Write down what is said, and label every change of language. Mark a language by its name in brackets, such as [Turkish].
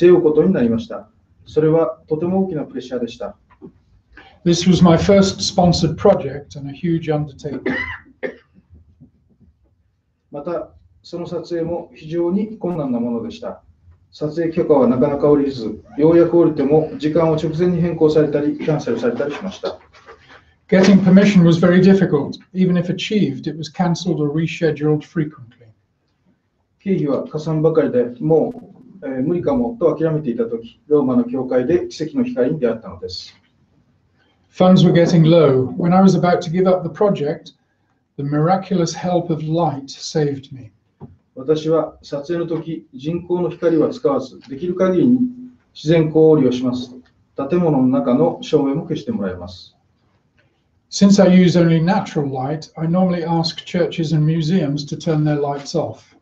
[Japanese] それまでの私は自分自身のために撮影してきましたが、ミケランジェロに関しては支援してくださった皆様の思いを背負うことになりました。それはとても大きなプレッシャーでした。 [English] This was my first sponsored project and a huge undertaking. [Japanese] またその撮影も非常に困難なものでした。撮影許可はなかなか下りず、ようやく下りても時間を直前に変更されたり、キャンセルされたりしました。 [English] Getting permission was very difficult. Even if achieved, it was cancelled or rescheduled frequently. [Japanese] 経費はかさんばかりで、もう無理かもと諦めていた時、ローマの教会で奇跡の光に出会ったのです。 [English] Funds were getting low. When I was about to give up the project, the miraculous help of light saved me. [Japanese] 私は撮影の時、人工の光は使わず、できる限りに自然光を利用します。建物の中の照明も消してもらいます。 [English] Since I use only natural light, I normally ask churches and museums to turn their lights off.